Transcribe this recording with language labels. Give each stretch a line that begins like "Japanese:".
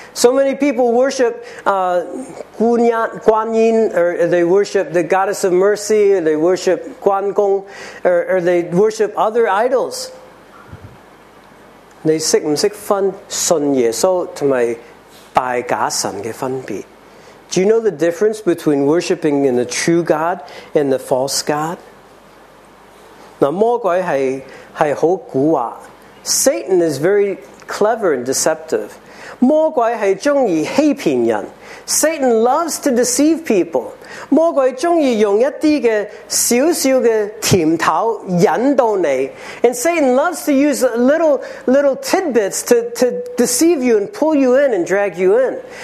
English: So many people worship 觀音, or they worship the goddess of mercy, or they worship 關公, or they worship other idols.
Chinese: 你懂不懂分信耶穌和拜假神的分別?
English: Do you know the difference between worshiping in the true God and the false God?
Chinese: 魔鬼是很狡猾,
English: Satan is very clever and deceptive.
Chinese: 魔鬼是喜歡欺騙人,
English: Satan loves to deceive people.
Chinese: 魔鬼喜歡用一些小小的甜頭引導你,
English: and Satan loves to use little tidbits to deceive you and pull you in and drag you in.